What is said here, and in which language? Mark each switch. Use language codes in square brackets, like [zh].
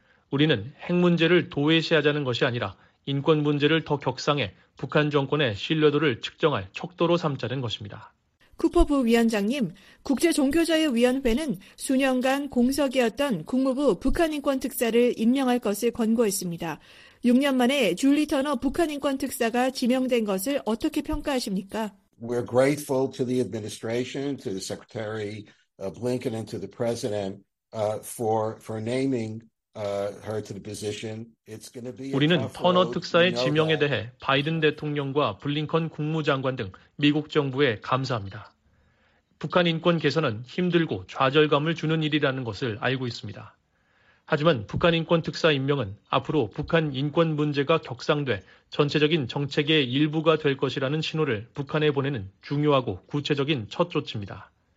[ko] 우리는 핵 문제를 도외시하자는 것이 아니라 인권 문제를 더 격상해 북한 정권의 신뢰도를 측정할 척도로 삼자는 것입니다. 쿠퍼 부위원장님, 국제종교자유위원회는 수년간 공석이었던 국무부 북한인권특사를 임명할 것을 권고했습니다. 6년 만에 줄리 터너 북한인권특사가 지명된 것을 어떻게 평가하십니까? [en] We're grateful to the administration, to the Secretary Blinken and to the President for naming her to the position. It's going to be [ko] 우리는 터너 특사의 지명에 대해 바이든 대통령과 블링컨 국무장관 등 미국 정부에 감사합니다. 북한 인권 개선은 힘들고 좌절감을 주는 일이라는 것을 알고 있습니다. 하지만 북한 인권 특사 임명은 앞으로 북한 인권 문제가 격상돼 전체적인 정책의 일부가 될 것이라는 신호를 북한에 보내는 중요하고 구체적인 첫 조치입니다.